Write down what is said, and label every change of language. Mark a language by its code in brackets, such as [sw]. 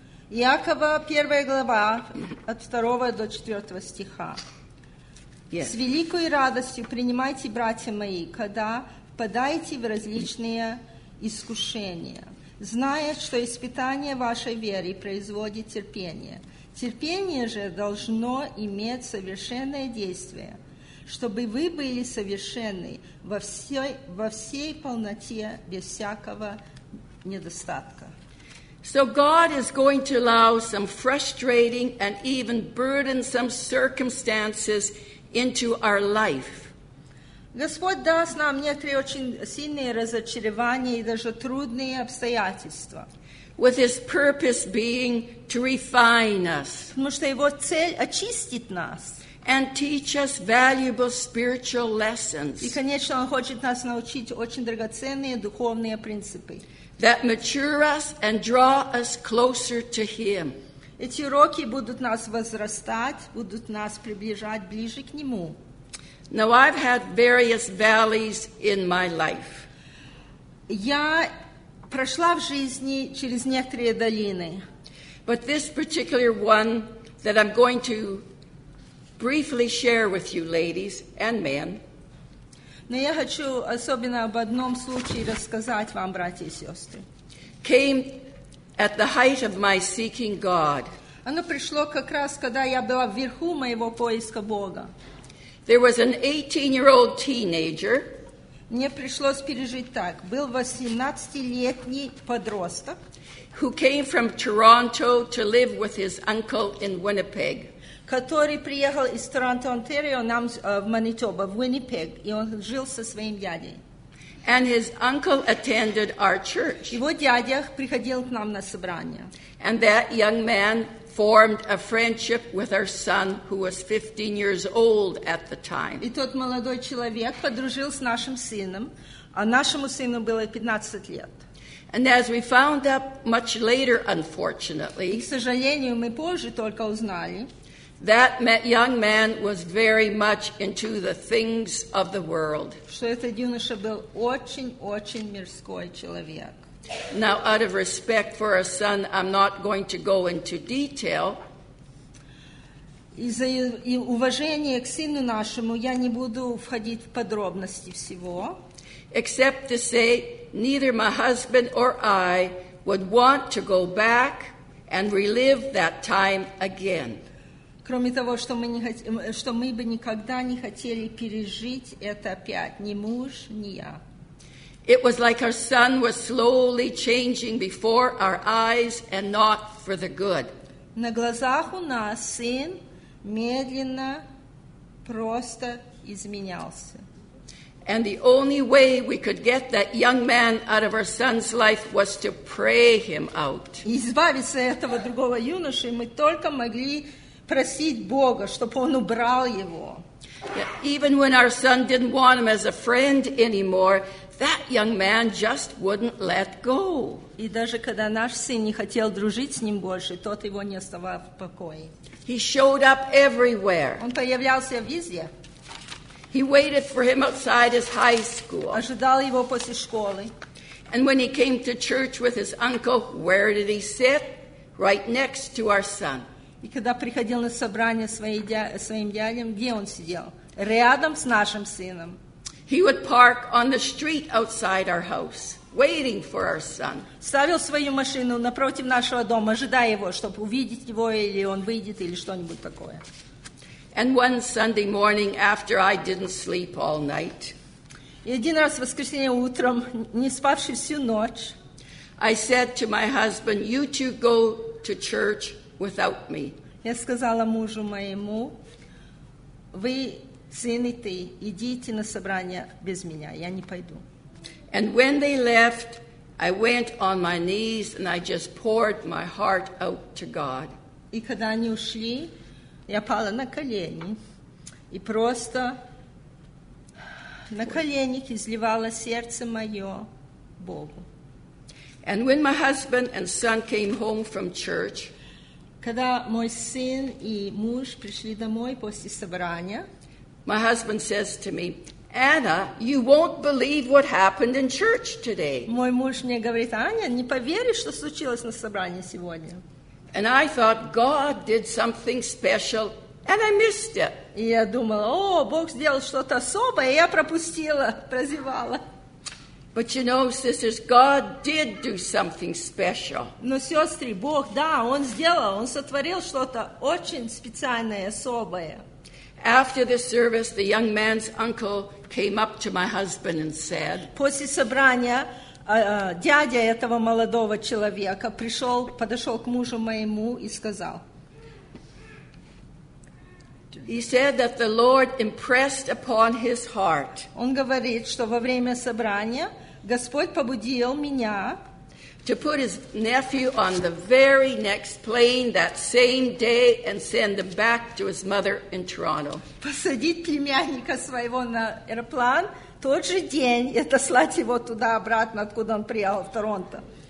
[ru] Иакова, первая глава, от 2 до 4 стиха. [en] Yes. [ru] С великой радостью принимайте, братья мои, когда впадаете в различные искушения, зная, что испытание вашей веры производит терпение. Терпение же должно иметь совершенное действие, чтобы вы были совершенны во всей полноте, без всякого недостатка. [en] So God is going to allow some frustrating and even burdensome circumstances into our life. [ru] Господь даст нам некоторые очень сильные разочарования и даже трудные обстоятельства. [en] With his purpose being to refine us. [ru] Потому что его цель очистить нас. [en] And teach us valuable spiritual lessons. [ru] И, конечно, он хочет нас научить очень драгоценные духовные принципы. [en] That mature us and draw us closer to him. [ru] Эти уроки будут нас возрастать, будут нас приближать ближе к Нему. [en] Now I've had various valleys in my life. [ru] Я прошла в жизни через некоторые долины. [en] But this particular one that I'm going to briefly share with you, ladies and men. [ru] Но я хочу особенно об одном случае рассказать вам, братья и сестры. [en] Came at the height of my seeking God. [ru] Оно пришло как раз, когда я была вверху моего поиска Бога. [en] There was an 18-year-old teenager. [ru] Мне пришлось пережить так. Был 18-летний подросток, [en] who came from Toronto to live with his uncle in Winnipeg. [ru] Который приехал из Торонто, Онтарио, нам в Манитобу, в Виннипег, и он жил со своим дядей. [en] And his uncle attended our church. [ru] Его дядя приходил к нам на собрание. [en] And that young man formed a friendship with our son, who was 15 years old at the time. [ru] И тот молодой человек подружил с нашим сыном, а нашему сыну было 15 лет. [en] And as we found out much later, unfortunately, [ru] и, к сожалению, мы позже только узнали, [en] that young man was very much into the things of the world. [ru] Что этот юноша был очень-очень мирской человек. [en] Now, out of respect for our son, I'm not going to go into detail. [ru] Из-за уважения к сыну нашему я не буду входить в подробности всего. [en] Except to say, neither my husband or I would want to go back and relive that time again. [ru] Кроме того, что мы бы никогда не хотели пережить это опять, ни муж, ни я. [en] It was like our son was slowly changing before our eyes and not for the good. [ru] На глазах у нас сын медленно просто изменялся. [en] And the only way we could get that young man out of our son's life was to pray him out. [ru] И избавиться от этого другого юноши мы только могли просить Бога, чтобы он убрал его. [en] Yeah, even when our son didn't want him as a friend anymore, that young man just wouldn't let go. [ru] И даже когда наш сын не хотел дружить с ним больше, тот его не оставал в покое. [en] He showed up everywhere. [ru] Он появлялся везде. [en] He waited for him outside his high school. [ru] Ожидал его после школы. [en] And when he came to church with his uncle, where did he sit? Right next to our son. [ru] И когда приходил на собрание своим дядем, где он сидел? Рядом с нашим сыном. [en] He would park on the street outside our house, waiting for our son. [ru] Ставил свою машину напротив нашего дома, ожидая его, чтобы увидеть его, или он выйдет, или что-нибудь такое. [en] And one Sunday morning, after I didn't sleep all night, [ru] и один раз в воскресенье утром, не спавший всю ночь, [en] I said to my husband, "You two go to church without me." [ru] Я сказала мужу моему, вы, сын и ты, идите на собрание без меня, я не пойду. [en] And when they left, I went on my knees and I just poured my heart out to God. [ru] И когда они ушли, я пала на колени и просто на коленях изливала сердце мое Богу. [en] And when my husband and son came home from church, [ru] когда мой сын и муж пришли домой после собрания, [en] my husband says to me, "Anna, you won't believe what happened in church today." [ru] Мой муж мне говорит, Аня, не поверишь, что случилось на собрании сегодня. [en] And I thought God did something special, and I missed it. [ru] И я думала, о, Бог сделал что-то особое, и я пропустила, прозевала. [en] But you know, sisters, God did do something special. [ru] Но, сестры, Бог, да, Он сделал, Он сотворил что-то очень специальное, особое. [en] After the service, the young man's uncle came up to my husband and said, [ru] после собрания, дядя этого молодого человека подошел к мужу моему и сказал, [en] he said that the Lord impressed upon his heart, [ru] он говорит, что во время собрания Господь побудил меня [en] to put his nephew on the very next plane that same day and send him back to his mother in Toronto. [ru] Посадить племянника своего на аэроплан тот же день и отослать его туда обратно, откуда он приехал, в Торонто.